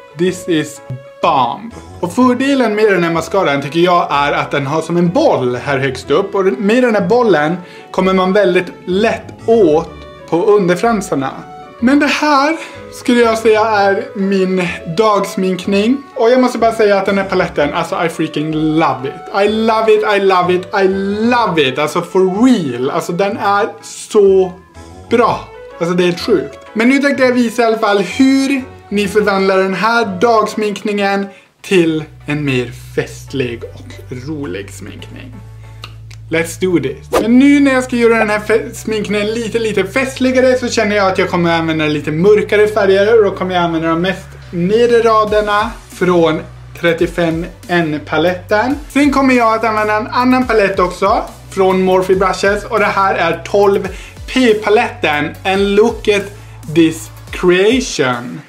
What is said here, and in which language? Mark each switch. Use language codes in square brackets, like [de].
[en] This is bomb. [sv] Och fördelen med den här mascaran tycker jag är att den har som en boll här högst upp. Och med den här bollen kommer man väldigt lätt åt på underfransarna. Men det här skulle jag säga är min dagsminkning. Och jag måste bara säga att den här paletten, alltså [en] I freaking love it. I love it, I love it, I love it. [sv] Alltså [en] for real. [sv] Alltså den är så bra. Alltså det är sjukt. Men nu tänkte jag visa i alla fall hur ni förvandlar den här dagsminkningen till en mer festlig och rolig sminkning. [en] Let's do this. [sv] Men nu när jag ska göra den här sminkningen lite festligare så känner jag att jag kommer använda lite mörkare färger. Och då kommer jag använda de mest nedre raderna från 35N-paletten. Sen kommer jag att använda en annan palett också från Morphe Brushes. Och det här är 12P-paletten. [en] And look at this creation.